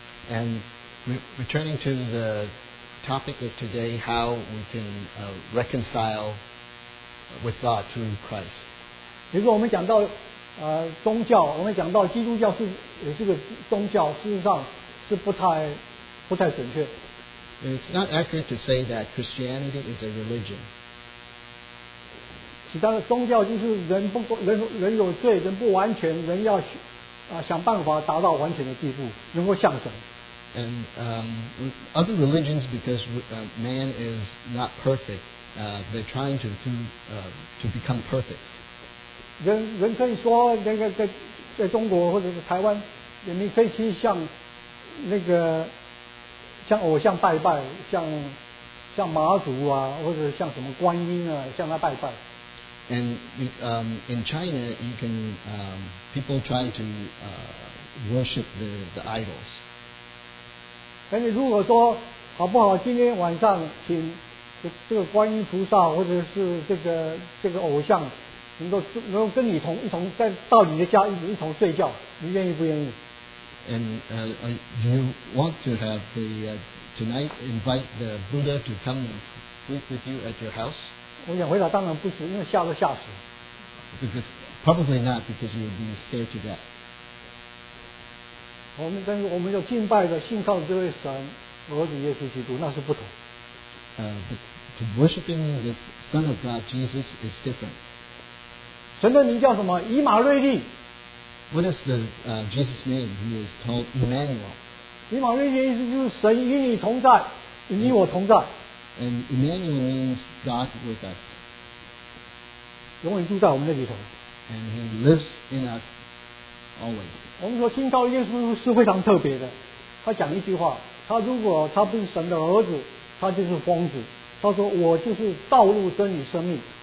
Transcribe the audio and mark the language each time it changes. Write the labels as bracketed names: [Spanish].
[English] And returning to the topic of today, how we can reconcile with God through Christ. [Chinese] 比如说我们讲到宗教，我们讲到基督教是也是个宗教，事实上是不太准确。 [English] It's not accurate to say that Christianity is a religion. [Chinese] 其他的宗教就是人不人有罪，人不完全，人要想办法达到完全的地步，能够像神。 [English] And other religions, because man is not perfect, they're trying to become perfect. [Chinese] 人可以说那个在中国或者是台湾，人民可以去向那个。像偶像拜拜，像妈祖啊，或者像什么观音啊，向他拜拜。 [English] And in China, you can people try to worship the idols. [Chinese] 但是如果说好不好，今天晚上请这个观音菩萨或者是这个偶像，能够跟你一同在到你的家一同睡觉，你愿意不愿意？ [English] And you want to have the tonight invite the Buddha to come and sleep with you at your house? [Chinese] 我想回答当然不是，因为吓都吓死。 [English] Because probably not, because you would be scared to death. [Chinese] 我们要敬拜的、信靠这位神、儿子耶稣基督，那是不同。 [English] To worshiping the Son of God, Jesus, is different. [Chinese] 神的名叫什么？以马内利。 [English] What is the Jesus' name? He is called Emmanuel. [Chinese] 以马内利的意思就是神与你同在，与你我同在。 [English] And Emmanuel means God with us. [Chinese] 永远住在我们的里头。 [English] And He lives in us always. [Chinese] 我们说听到耶稣是非常特别的。他讲一句话，他如果他不是神的儿子，他就是疯子。他说我就是道路、真理、生命。